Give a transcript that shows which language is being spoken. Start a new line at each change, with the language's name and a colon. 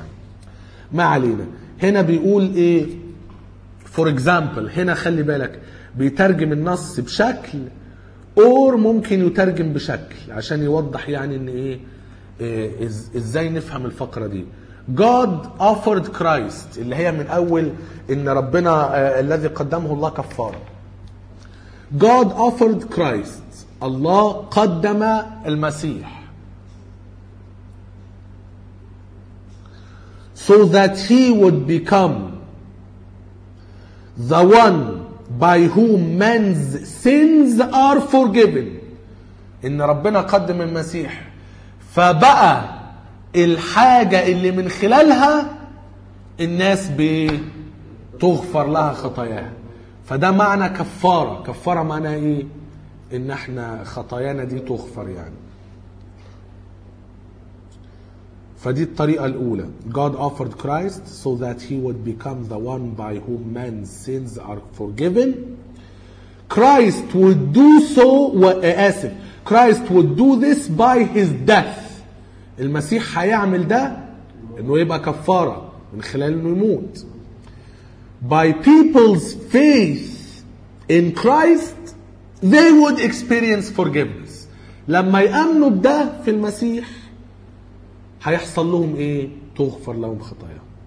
Arabic: يعني ما علينا. هنا بيقول ايه
English: for example،
Arabic: هنا خلي بالك بيترجم النص بشكل or ممكن يترجم بشكل عشان يوضح يعني ان ايه ازاي نفهم الفقرة دي.
English: God offered Christ،
Arabic: اللي هي من اول ان ربنا الذي قدمه الله كفارة.
English: God offered Christ،
Arabic: الله قدم المسيح.
English: So that he would become the one by whom men's sins are forgiven.
Arabic: إن ربنا قدم المسيح فبقى الحاجة اللي من خلالها الناس بتغفر لها خطاياها. فده معنى كفارة. كفارة معنى ايه؟ ان احنا خطايانا دي تغفر يعني. فدي الطريقة الاولى.
English: God offered Christ so that he would become the one by whom man's sins are forgiven. Christ would do so Christ would do this by his death.
Arabic: المسيح هيعمل ده انه يبقى كفارة من خلال انه يموت.
English: By people's faith in Christ they would experience forgiveness.
Arabic: لما يأمنوا بده في المسيح هيحصل لهم ايه؟ تغفر لهم خطايا.